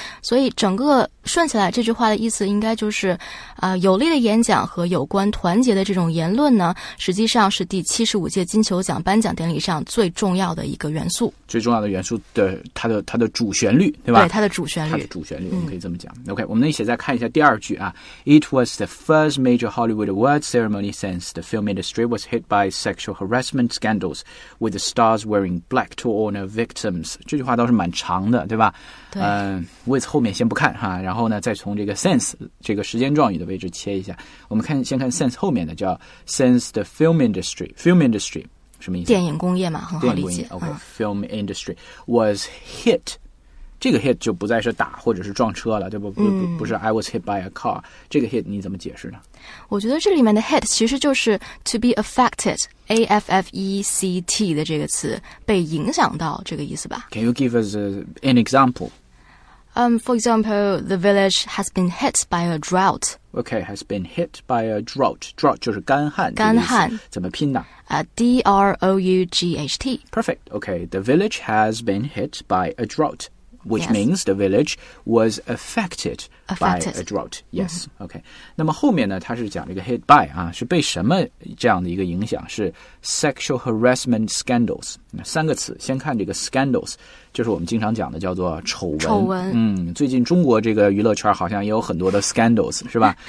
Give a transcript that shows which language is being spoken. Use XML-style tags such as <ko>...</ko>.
<zh>所以整个顺起来这句话的意思应该就是有力的演讲和有关团结的这种言论呢，实际上是第75届金球奖颁奖典礼上最重要的一个元素。最重要的元素的它的主旋律，对吧？对，它的主旋律。它的主旋律，我们可以这么讲。OK， 我们一起再看一下第二句啊。</zh> <en>It was the first major Hollywood awards ceremony since the film industry was hit by sexual harassment scandals, with the stars wearing black to honor victims.</en> <zh>这句话倒是蛮长的，对吧？ with 后面先不看哈，然后呢，再从这个 since 这个时间状语的位置切一下。我们看先看 since 后面的叫</zh> <en>since the film industry，</en> <zh>film industry 什么意思？电影工业嘛，很好理解。电影工业 OK，</zh> <en>film industry was hit，</en> <zh>这个 hit 就不再是打或者是撞车了，对不？不是</zh> <en>I was hit by a car，</en> <zh>这个 hit 你怎么解释呢？我觉得这里面的 hit 其实就是</zh> <en>to be affected，</en> <zh>affect 的这个词，被影响到这个意思吧。</zh> <en>Can you give us an example？ For example, the village has been hit by a drought. Okay, has been hit by a drought. Drought</en> <zh>就是干旱。干旱。怎么拼的？</zh> <en>D-R-O-U-G-H-T. Perfect. Okay, the village has been hit by a drought, which means the village was affected by a drought. Yes. Okay.</en> <zh>那么后面呢，它是讲这个 hit by 啊，是被什么这样的一个影响？是</zh> <en>sexual harassment scandals.</en> <zh>三个词，先看这个 scandals。就是我们经常讲的叫做丑闻。最近中国这个娱乐圈好像也有很多的 scandals， 是吧？</zh>